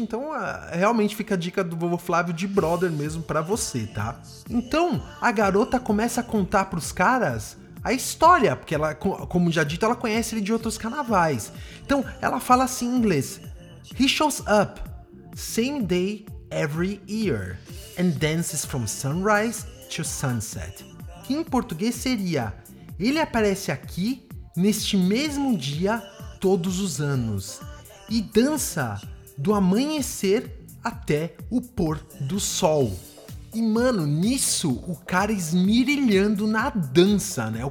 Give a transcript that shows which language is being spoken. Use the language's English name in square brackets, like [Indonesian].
[Portuguese] Então, realmente fica a dica do vovô Flávio de brother mesmo para você, tá? Então, a garota começa a contar pros caras a história, porque ela, como já dito, ela conhece ele de outros carnavais. Então, ela fala assim em inglês, [English] "He shows up. Same day every year, and dances from sunrise to sunset." [Portuguese] Que em português seria, ele aparece aqui neste mesmo dia todos os anos e dança do amanhecer até o pôr do sol. E mano, nisso o cara esmirilhando na dança, né?